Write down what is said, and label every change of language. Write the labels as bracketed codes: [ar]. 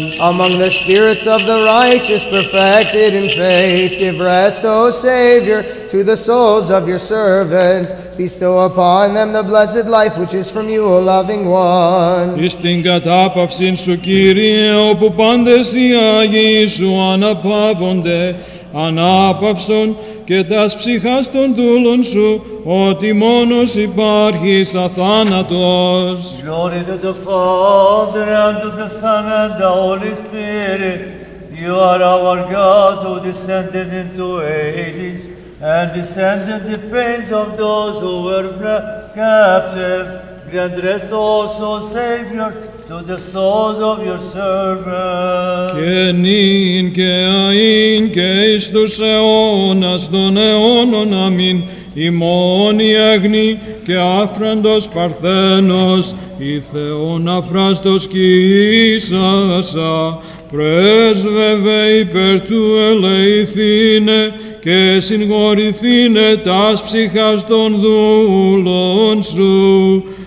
[en] Among the spirits of the righteous perfected in faith, give rest, O Savior, to the souls of your servants. Bestow upon them the blessed life which is from you, O loving one. [el] Εις την κατάπαυσιν σου, Κύριε, όπου πάντες οι Άγιοι σου αναπαύονται, ανάπαυσον και τας ψυχάς των δούλων σου, ότι μόνος υπάρχεις αθάνατος. [en] Glory to the Father, and to the Son, and the Holy Spirit. You are our God, who descended into ages, and descended the pains of those who were captive. Grant rest also, Savior, to the souls of your servants. [el] Και νυν και αΐν και εις τους αιώνας των αιώνων, αμήν. Ημών η αγνή και άφραντος παρθένος, η Θεόν αφράστος Κύσσασα, πρέσβευε υπέρ του ελεηθήνε και συγχωρηθήνε τας ψυχάς των δούλων σου.